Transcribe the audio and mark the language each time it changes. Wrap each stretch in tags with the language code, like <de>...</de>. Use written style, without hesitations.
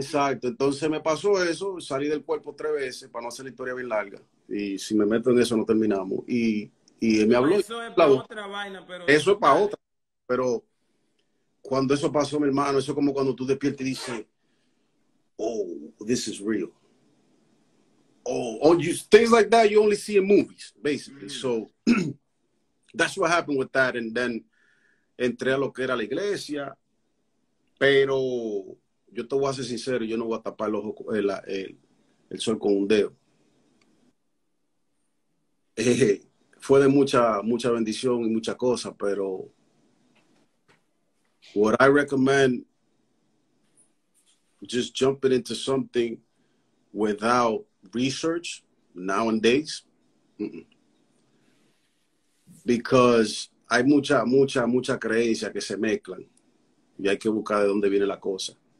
<es>Exacto, entonces me pasó eso, salí del cuerpo 3 veces, para no hacer la historia bien larga, y si me meto en eso no terminamos, y... Y él me habló. Eso es para otra vaina, pero. Eso es para otra. Pero cuando eso pasó, mi hermano, eso es como cuando tú despiertas y dices,</es> <en>oh, this is real. Oh, on you, things like that, you only see in movies, basically. Mm. So that's what happened with that. And then</en> <es>entré a lo que era la iglesia. Pero yo te voy a ser sincero, yo no voy a tapar el ojo, el sol con un dedo. Fue de mucha bendición y mucha cosa, pero</es> <en>what I recommend, just jumping into something without research nowadays,</en> <es>because hay mucha creencia que se mezclan y hay que buscar de dónde viene la cosa.</es>